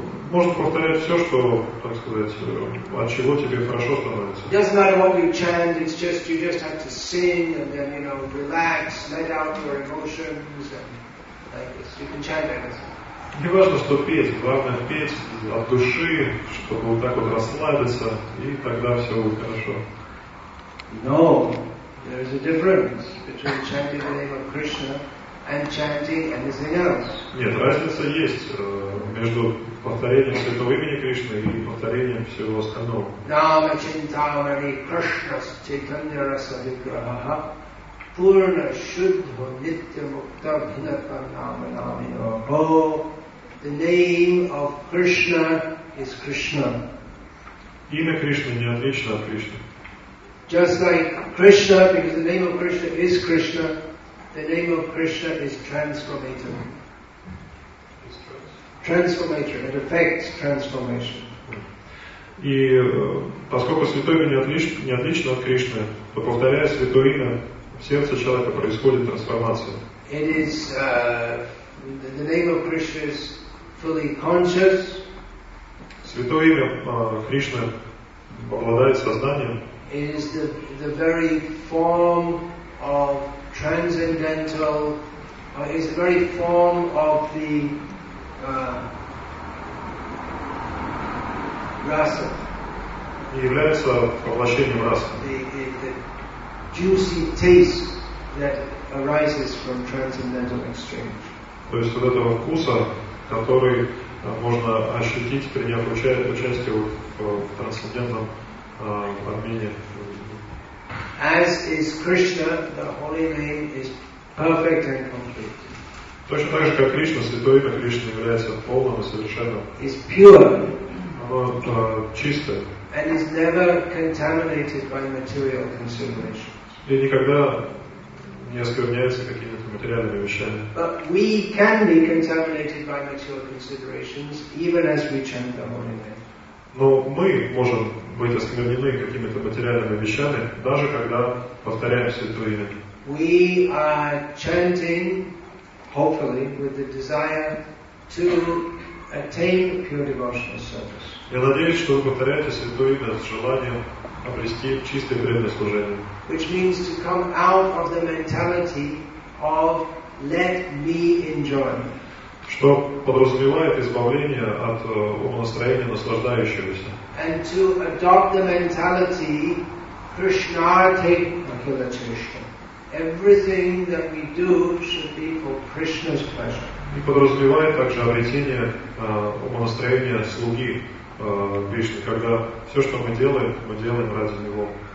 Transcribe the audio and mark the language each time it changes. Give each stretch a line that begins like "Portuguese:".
Russian: Можно повторять все, что, так сказать, от чего тебе хорошо становится.
English: It doesn't matter what you chant, it's just you just have to sing and then, you know, relax, let out your emotions and like this. You can chant anything.
Russian: Не важно, что петь, главное петь от души, чтобы вот так вот расслабиться, и тогда все будет хорошо.
English: No, there is a difference between chanting the name of Krishna and chanting anything else.
Russian: Нет, разница есть между повторением святого имени Кришны и повторением всего остального.
Sanskrit: Нама Чинтамани Кришна Чайтанья Раса Виграха Пурна Шудха Нитья Мукта Бхината Нама Намино О,
English: the name of Krishna is Krishna.
Russian: Имя Кришны не отлично от Кришны.
English: Just like Krishna, because the name of Krishna is Krishna, the name of Krishna is transformative. Transformation, it affects transformation.
Russian: И поскольку святое имя не отлично от Кришны, то повторяя святое имя, в сердце человека происходит трансформация.
English: It is the name of Krishna is fully conscious.
Russian: Святое имя Кришны обладает сознанием.
English: It is the very form of transcendental, is the very form of the rasa.
Russian: Является воплощением раса.
English: The juicy taste that arises from transcendental exchange.
Russian: То есть вот этого вкуса, который можно ощутить, приняв участие в трансцендентном обмене.
English: As is Krishna, the holy name is perfect and complete.
Russian: Точно так же, как Кришна, святое имя Кришны является полным и совершенным.
English: Is pure.
Russian: чисто.
English: And is never contaminated by material consumption.
Russian: И никогда не оскверняется какими-то материальными вещами.
English: But we can be contaminated by material considerations even as we chant the holy name.
Russian: Но мы можем быть осквернены какими-то материальными вещами, даже когда повторяем святое имя.
English: We are chanting, hopefully, with the desire to attain pure devotional service.
Russian: Я надеюсь, что вы повторяете святое имя с желанием обрести чистое преданное служение.
English: Which means to come out of the mentality of let me enjoy.
Russian: Что подразумевает избавление от умонастроения наслаждающегося.
English: And to adopt the mentality Krishna take Akhila Krishna. Everything that we do should be for Krishna's pleasure.
Russian: И подразумевает также обретение умонастроения слуги Кришны, когда все, что мы делаем ради Него.